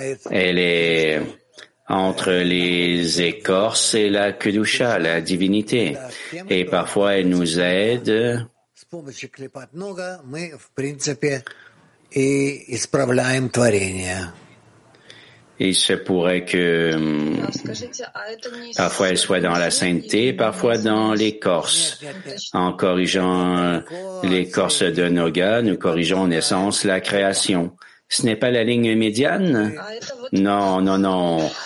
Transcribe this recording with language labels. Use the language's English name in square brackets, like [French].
[French] Elle est entre les écorces et la Kedusha, la divinité. Et parfois, elle nous aide. [Russian] С помощью Клипат Нога мы, в принципе, и исправляем творение. [French] Il se pourrait que parfois elle soit dans la sainteté, parfois dans l'écorce. En corrigeant l'écorce de Noga, nous corrigeons en essence la création. Ce n'est pas la ligne médiane? Non, non, non.